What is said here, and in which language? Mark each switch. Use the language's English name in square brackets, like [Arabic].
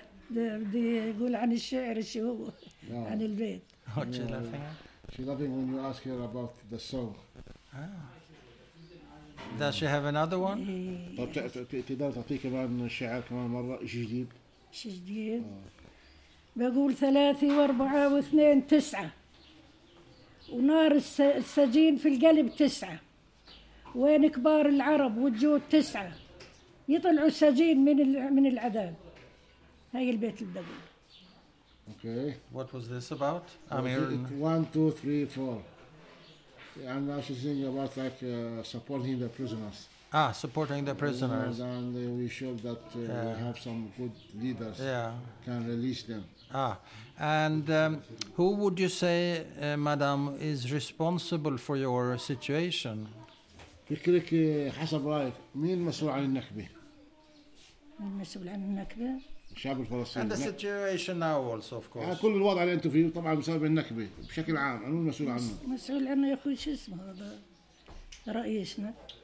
[Arabic] بدي يقول عن الشعر شو هو عن البيت. [English] What she laughing at? She laughing when you ask her about the song. Does she have another one? [Arabic] طب تقدر تعطي كمان شعر كمان مرة شي جديد؟ شي جديد؟ بقول ثلاثة وأربعة واثنين تسعة، ونار السجين في القلب تسعة، وين كبار العرب والجود تسعة، يطلعوا السجين من العذاب. هاي البيت البدوي. [English] Okay. What was this about? I'm here. 1, 2, 3, 4. And now she's singing about like supporting the prisoners. Ah, supporting the prisoners. And we showed that we have some good leaders. Yeah. Can release them. Ah, and who would you say, madam, is responsible for your situation? [Arabic] فكرك حسب رأيك مين مسؤول عن النكبة؟ مين مسؤول عن النكبة؟ الشعب الفلسطيني. [English] And the situation now also, of course. [Arabic] كل الوضع اللي أنتوا فيه طبعاً بسبب النكبة بشكل عام. أنا المسؤول عنه. مسؤول عنه يا أخوي شو اسمه هذا رئيسنا؟